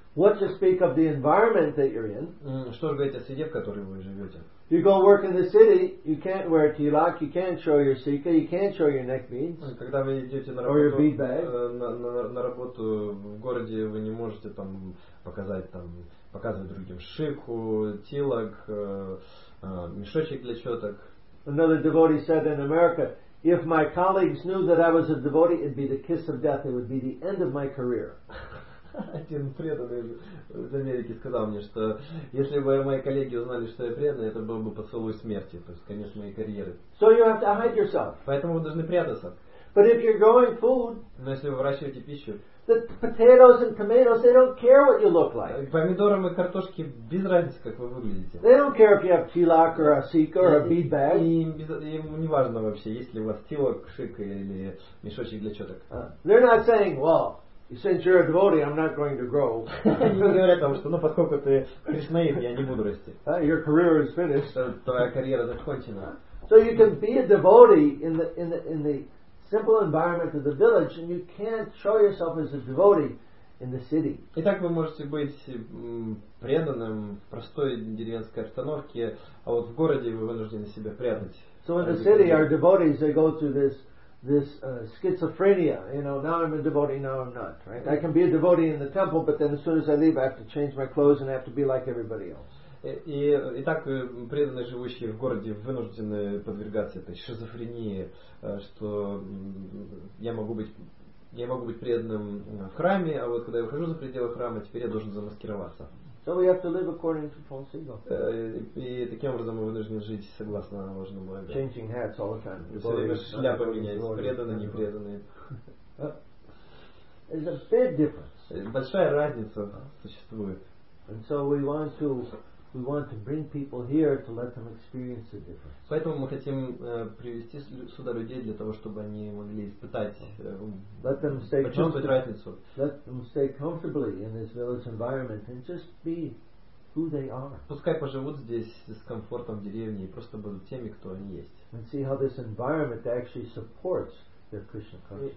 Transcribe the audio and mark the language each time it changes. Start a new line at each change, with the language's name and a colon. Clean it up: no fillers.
English: What to speak of the environment that you're in?
Russian: Что же говорить о среде, в которой вы живете?
English: You go work in the city, you can't wear tilak, you can't show your sikha, you can't show your neck beads.
Russian: Когда вы идете на работу, на работу в городе, вы не можете там показывать другим шикху, тилак, мешочек для чёток.
English: Another devotee said in America, if my colleagues knew that I was a devotee, it'd be the kiss of death. It would be the end of my career.
Russian: Один преданный из Америки сказал мне, что если бы мои коллеги узнали, что я преданный, это был бы поцелуй смерти, то есть конец моей карьеры.
English: So you have to hide yourself.
Russian: Поэтому вы должны прятаться.
English: But if you're growing food,
Russian: но если вы выращиваете пищу,
English: the potatoes and tomatoes, they don't care what you look like.
Russian: Помидорам и картошке без разницы, как вы выглядите.
English: They don't care if you have tilak or a sikha or a bead bag.
Russian: Им не важно вообще, есть ли у вас тилак, шик или мешочек для чёток.
English: They're not saying, well, since you're a devotee, I'm not going to grow.
Russian: Они не говорят о том, что, ну, поскольку ты кришнаит, я не буду расти.
English: Your career is finished.
Russian: Твоя карьера закончена.
English: So you can be a devotee in the simple environment of the village, and you can't show yourself as a devotee in the city.
Russian: Итак, вы можете быть преданным в простой деревенской обстановке, а вот в городе вы вынуждены себя прятать.
English: So in the city, our devotees, they go through this schizophrenia. You know, now I'm a devotee, now I'm not. Right? I can be a devotee in the temple, but then as soon as I leave, I have to change my clothes and I have to be like everybody else.
Russian: Итак, преданные, живущие в городе, вынуждены подвергаться этой шизофрении, что я могу быть преданным в храме, а вот когда я выхожу за пределы храма, теперь я должен замаскироваться.
English: So we have to live according to false ego.
Russian: И таким образом мы вынуждены жить согласно ложному эго.
English: Changing hats all the time.
Russian: Все время шляпы менять, преданные, непреданные.
English: There's a big difference.
Russian: Большая разница существует.
English: And so we want to bring people here to let them experience the difference.
Russian: Поэтому мы хотим привести сюда людей для того, чтобы они могли испытать, почувствовать разницу.
English: Let them stay comfortably in this village environment and just be who they are.
Russian: Пускай поживут здесь с комфортом в деревне и просто будут теми, кто они есть.
English: And see how this environment actually supports their Krishna consciousness.